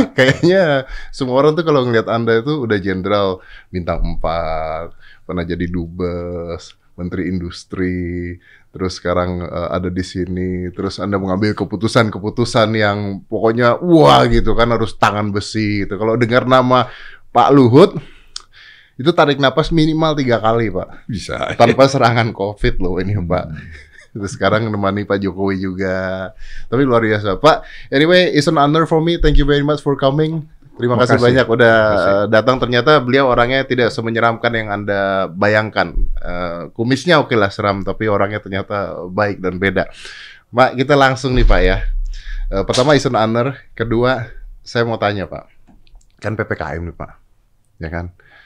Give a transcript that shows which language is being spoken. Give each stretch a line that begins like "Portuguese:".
Indonesian: Kayaknya semua orang tuh kalau ngeliat Anda itu udah jenderal bintang 4, pernah jadi dubes, menteri industri, terus sekarang ada di sini, terus Anda mengambil keputusan-keputusan yang pokoknya wah gitu kan, harus tangan besi gitu. Kalau dengar nama Pak Luhut, itu tarik napas minimal 3 kali, Pak. Bisa. Tanpa serangan COVID loh ini, Pak. Terus sekarang menemani Pak Jokowi juga. Tapi luar biasa, Pak.
English: Anyway, it's an honor for me. Thank you very much for coming.
Indonesian: Terima kasih banyak udah datang. Ternyata beliau orangnya tidak semenyeramkan yang Anda bayangkan. Kumisnya oke lah seram, tapi orangnya ternyata baik dan beda. Pak, kita langsung nih, Pak, ya. Pertama,
English: it's an honor.
Indonesian: Kedua, saya mau tanya, Pak. Kan PPKM nih, Pak. Ya kan?